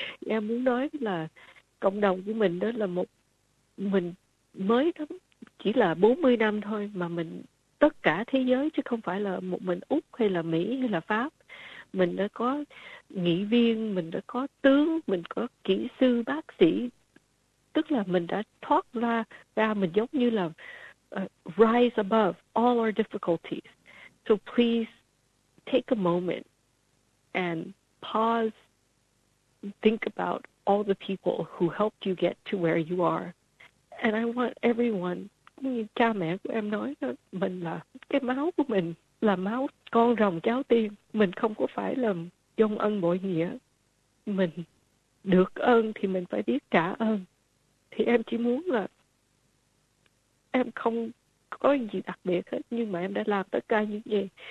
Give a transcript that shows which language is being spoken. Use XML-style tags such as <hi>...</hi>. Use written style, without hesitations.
<vi>Em muốn nói là cộng đồng của mình đó là một, mình mới lắm, chỉ là 40 năm thôi mà mình tất cả thế giới, chứ không phải là một mình Úc hay là Mỹ hay là Pháp. Mình đã có nghị viên, mình đã có tướng, mình có kỹ sư, bác sĩ. Tức là mình đã thoát ra mình giống như là</vi> <en>rise above all our difficulties. So please take a moment and pause, think about all the people who helped you get to where you are. And I want everyone,</en> <vi>như cha mẹ của em nói, mình là cái máu của mình là máu con rồng cháu tiên, mình không có phải là dông ân bội nghĩa, mình được ơn thì mình phải biết trả ơn. Thì em chỉ muốn là em không có gì đặc biệt hết, nhưng mà em đã làm tất cả những gì.</vi>